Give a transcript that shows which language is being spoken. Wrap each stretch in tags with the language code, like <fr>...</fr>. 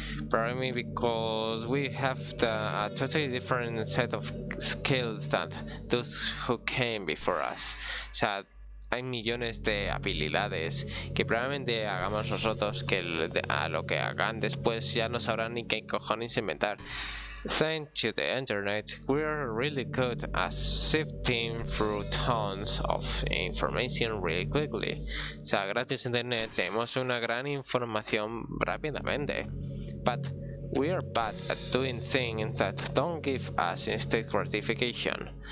<en>Probably because we have a totally different set of skills than those who came before us.</en> <es>O sea, hay millones de habilidades que probablemente hagamos nosotros que a lo que hagan después ya no sabrán ni qué cojones inventar.</es> <en>Thanks to the internet, we're really good at sifting through tons of information really quickly.</en> <es>O sea, gracias a internet tenemos una gran información rápidamente.</es> <en>But we are bad at doing things that don't give us instant gratification.</en>